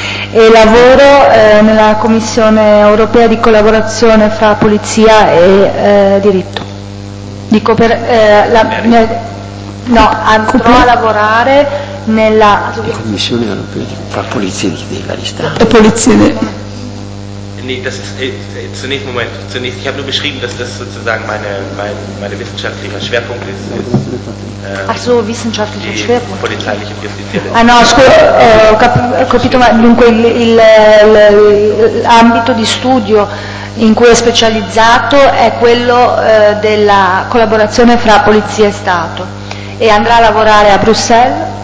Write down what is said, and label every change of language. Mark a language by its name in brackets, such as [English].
[Italian] E lavoro nella Commissione europea di collaborazione fra polizia e diritto. Dico per andrò a lavorare nella la Commissione europea fra polizia dei vari stati. E polizia. [German] Nee, das ist zunächst Moment. Zunächst, ich habe nur beschrieben, dass das sozusagen meine wissenschaftlicher Schwerpunkt ist. Ach so, wissenschaftlicher Schwerpunkt. Polizeiliche [Italian] Justizia. Ah no, ho capito, ma dunque l'ambito di studio in cui è specializzato è quello della collaborazione fra polizia e Stato. E andrà a lavorare a Bruxelles.